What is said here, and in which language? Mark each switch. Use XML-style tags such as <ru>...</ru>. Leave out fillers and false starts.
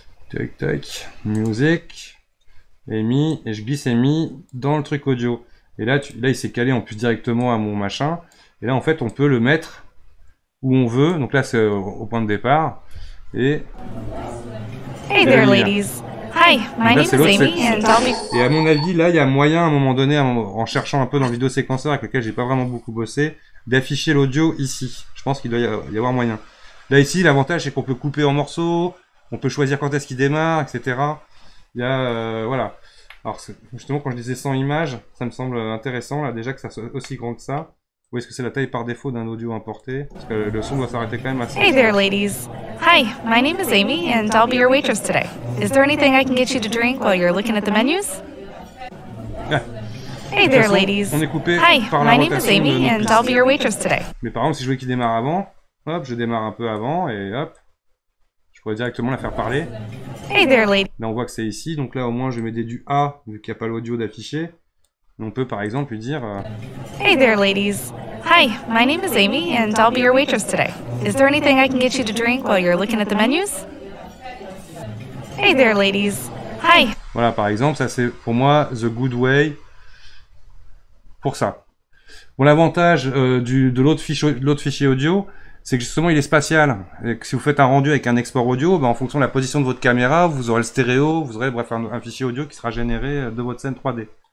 <fr>Tac, tac, music, Amy, et je glisse Amy dans le truc audio. Et là, il s'est calé en plus directement à mon machin. Et là, en fait, on peut le mettre où on veut. Donc là, c'est au point de départ. Et...</fr> <en>Hey là, there, ladies. Hi, my name is Amy, and I'll be...</en> <fr>Et à mon avis, là, il y a moyen, à un moment donné, en cherchant un peu dans le vidéo séquenceur avec lequel j'ai pas vraiment beaucoup bossé, d'afficher l'audio ici. Je pense qu'il doit y avoir moyen. Là, ici, l'avantage, c'est qu'on peut couper en morceaux... On peut choisir quand est-ce qu'il démarre, etc. Il y a, voilà. Alors, justement, quand je disais 100 images, ça me semble intéressant, là, déjà, que ça soit aussi grand que ça. Ou est-ce que c'est la taille par défaut d'un audio importé? Parce que le son doit s'arrêter quand même assez.</fr> <en>Hey there, ladies. Hi, my name is Amy, and I'll be your waitress today. Is there anything I can get you to drink while you're looking at the menus? Hey there, ladies.</en> <fr>On est coupé.</fr> <en>Hi, my name is Amy, and I'll be your waitress today.</en> <fr>Mais par exemple, si je voulais qu'il démarre avant, hop, je démarre un peu avant, et hop. On va directement la faire parler.</fr> <en>Hey there, lady.</en> <fr>Là, on voit que c'est ici. Donc là, au moins, je vais m'aider du A, vu qu'il n'y a pas l'audio d'affiché. On peut, par exemple, lui dire...</fr> <en>Hey there, ladies. Hi, my name is Amy, and I'll be your waitress today. Is there anything I can get you to drink while you're looking at the menus? Hey there, ladies. Hi.</en> <fr>Voilà, par exemple, ça, c'est pour moi,</fr> <en>the good way</en> <fr>pour ça. Bon, l'avantage de l'autre fichier audio... C'est que justement, il est spatial. Et que si vous faites un rendu avec un export audio, ben, en fonction de la position de votre caméra, vous aurez le stéréo, vous aurez bref un fichier audio qui sera généré de votre scène 3D.</fr>